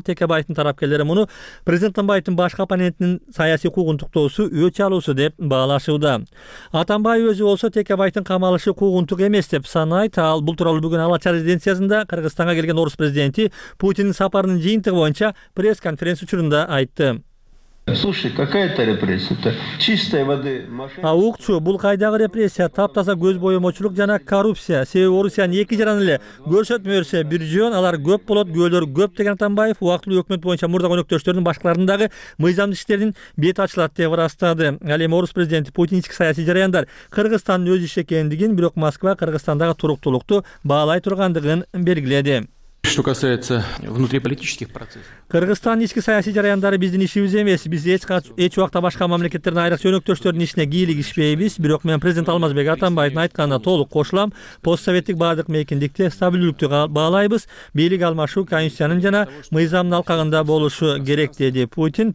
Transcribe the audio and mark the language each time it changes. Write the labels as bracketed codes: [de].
[ky] Текебаевдин тарапкерлери муну президент Атамбаевдин башкы оппонентинин саясий куугунтуктоосу, өч алуусу деп баалашууда. Атамбаев өзү болсо Текебаевдин камалышы куугунтук эмес деп санайт. Ал бул тууралуу бүгүн Алача резиденциясында Кыргызстанга келген орус президенти Путиндин сапарынын жыйынтыгы боюнча пресс конференция учурунда айтты. [ru] Слушай, какая это репрессия? Это чистой воды мошенничество. [ky] Аукчу, бул кайдагы репрессия, таптаса көз боемочулук жана коррупция. Себеби Орусиянын эки жаран эле көрсөтмөрсө бир жөн, алар көп болот, күйөөлөр көп, деген Атамбаев убактылуу өкмөт боюнча мурдагы өнөктөштөрдүн башкаларындагы мыйзамдуу иштердин бет ачылат деп ырастады. Ал эми орус президенти Путин ички саясий жараяндар Кыргызстандын өз иши экендигин, бирок Москва Кыргызстандагы туруктуулукту баалай тургандыгын белгиледи. [ru] Что касается внутриполитических процессов. [ky] Кыргызстандын ички саясий жараяндары биздин ишибиз эмес. Биз эч убакта башка мамлекеттердин айрыкча өнөктөштөрүнүн ишине кийлигишпейбиз. Бирок мен президент Алмазбек Атамбаевдин айтканына толук кошулам. Постсоветтик бардык мейкиндикте стабилдүүлүктү баалайбыз. Бийлик алмашуу конституциянын жана мыйзамдын алкагында болушу керек, деди Путин.